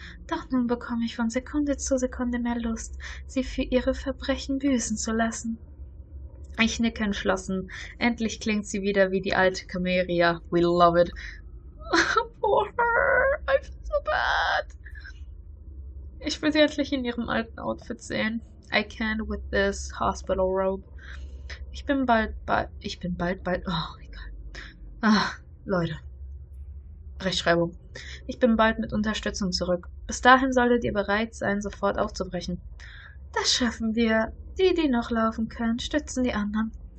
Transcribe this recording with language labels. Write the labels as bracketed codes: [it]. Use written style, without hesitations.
[de] Doch nun bekomme ich von Sekunde zu Sekunde mehr Lust, sie für ihre Verbrechen büßen zu lassen. Ich nicke entschlossen. Endlich klingt sie wieder wie die alte Cameria. [en] We love it. Poor her. I feel so bad. [de] Ich will sie endlich in ihrem alten Outfit sehen. [en] I can't with this hospital robe. [de] Ich bin bald, bald, ich bin bald, bald, oh, egal. Ach, Leute. Rechtschreibung. Ich bin bald mit Unterstützung zurück. Bis dahin solltet ihr bereit sein, sofort aufzubrechen. Das schaffen wir. Die, die noch laufen können, stützen die anderen.